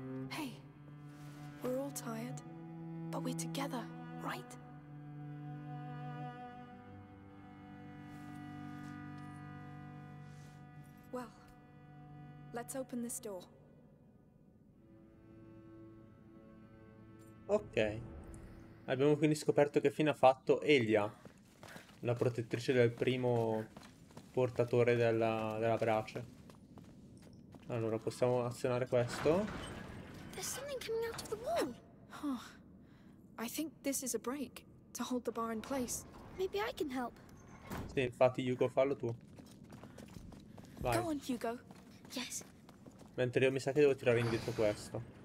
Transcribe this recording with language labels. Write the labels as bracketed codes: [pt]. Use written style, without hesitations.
[en] Hey, we're all tired, but we're together, right? Well, let's open this door. Ok. [it] Abbiamo quindi scoperto che fine ha fatto Aelia, la protettrice del primo portatore della brace. Allora, possiamo azionare questo. [en] There's something coming out of the wall. Oh, I think this is a break to hold the bar in place. Maybe I can help. [it] Sì, infatti, Hugo, fallo tu. Vai. [en] Go on, Hugo. Yes. [it] Mentre io mi sa che devo tirare indietro questo.